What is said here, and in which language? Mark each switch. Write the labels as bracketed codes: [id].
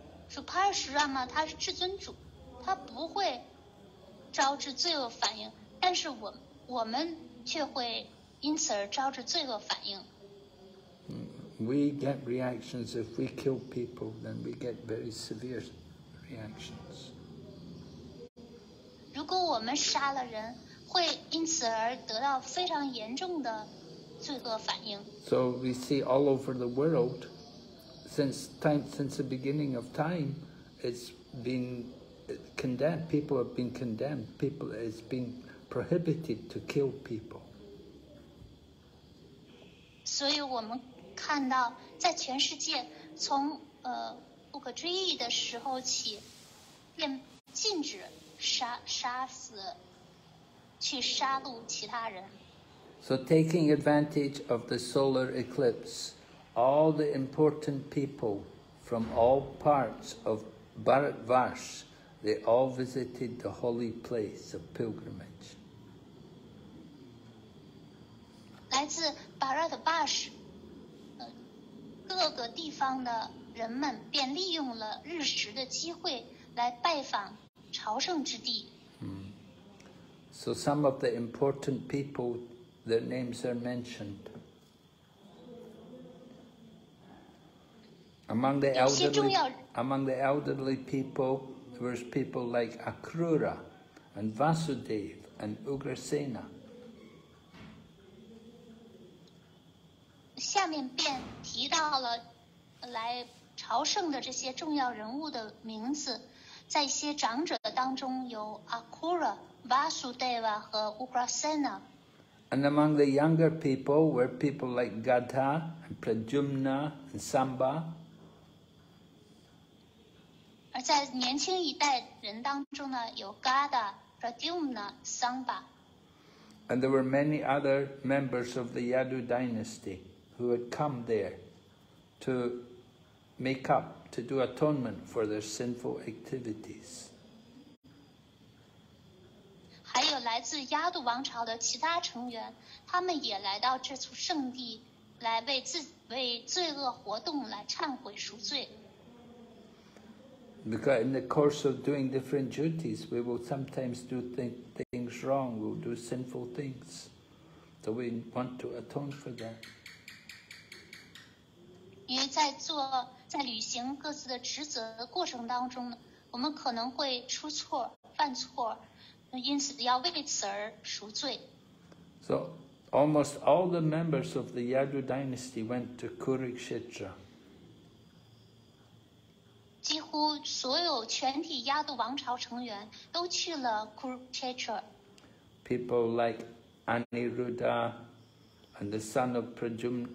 [zh] Parashurama, 他是至尊主，他不会招致罪恶反应，但是我们却会因此而招致罪恶反应。 [en] We get reactions if we kill people, then we get very severe. Reactions. [zh] 如果我们杀了人，会因此而得到非常严重的罪恶反应。 [en] So we see all over the world, since the beginning of time, it's been condemned. People have been condemned. People it's been prohibited to kill people. [zh] 所以我们看到，在全世界从不可追忆的时候起。便禁止杀死去杀戮其他人。 [en] So taking advantage of the solar eclipse, all the important people from all parts of Bharatvarsh, they all visited the holy place of pilgrimage. [zh] 来自 Bharatvarsh, 各个地方的人们便利用了日食的机会来拜访朝圣之地。 [en] So some of the important people, their names are mentioned. Among the elderly people, there were people like Akrura and Vasudev and Ugrasena. [zh] 下面便提到了来朝圣的这些重要人物的名字，在一些长者当中有 Akrura、Vasudeva 和 Ugrasena。 [en] And among the younger people were people like Gadha and Pradyumna and Samba。 [zh] 而在年轻一代人当中呢，有 Gadha、Pradyumna、Samba。 [en] And there were many other members of the Yadu dynasty who had come there to make up, to do atonement for their sinful activities。 [zh] 还有来自亚度王朝的其他成员，他们也来到这处圣地来为罪恶活动来忏悔赎罪。 [en] Because in the course of doing different duties, we will sometimes do things wrong, we'll do sinful things. So we want to atone for that. [zh] 因为在履行各自的职责的过程当中，我们可能会出错、犯错，因此要为此而赎罪。 [en] So almost all the members of the Yadu dynasty went to Kurukshetra. [zh] 几乎所有全体亚度王朝成员都去了 Kurukshetra。 [en] People like Aniruddha and the son of Pradyumna.